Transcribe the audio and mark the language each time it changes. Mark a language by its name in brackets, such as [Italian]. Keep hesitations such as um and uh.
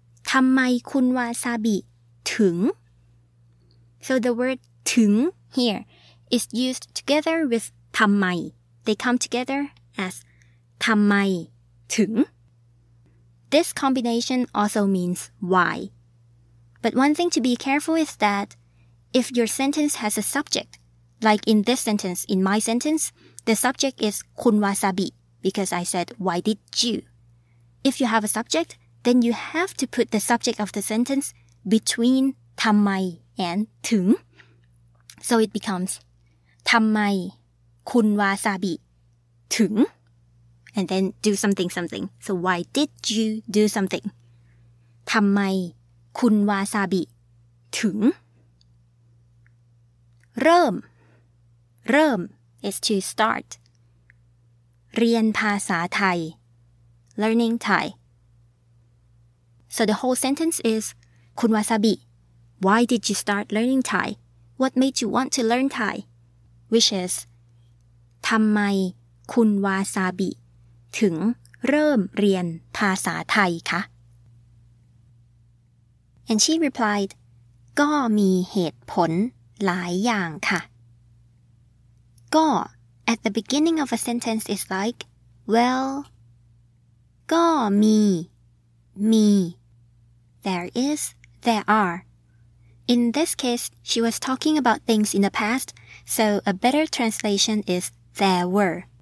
[English] ทำไมคุณวาซาบิ ถึง so the word ถึง here is used together with ทำไม They come together as ทำไม ถึง This combination also means why. But one thing to be careful is that if your sentence has a subject, like in this sentence, in my sentence, the subject is คุณวาซาบิ because I said why did you? If you have a subject, then you have to put the subject of the sentence between ทำไม and ถึง so it becomes ทำไม คุณวาซาบิ ถึง and then do something something so why did you do something ทำไม คุณวาซาบิ ถึง เริ่ม เริ่ม is to start เรียนภาษาไทย learning Thai so the whole sentence is คุณวาซาบิ why did you start learning Thai what made you want to learn Thai which is ทำไมคุณวาซาบิ [Thai] ถึงเริ่มเรียนภาษาไทยคะ [English] and she replied [Thai] ก็มีเหตุผลหลายอย่างค่ะ [English] ก็ at the beginning of a sentence is like well ก็มี มี there is there are in this case she was talking about things in the past so a better translation is there were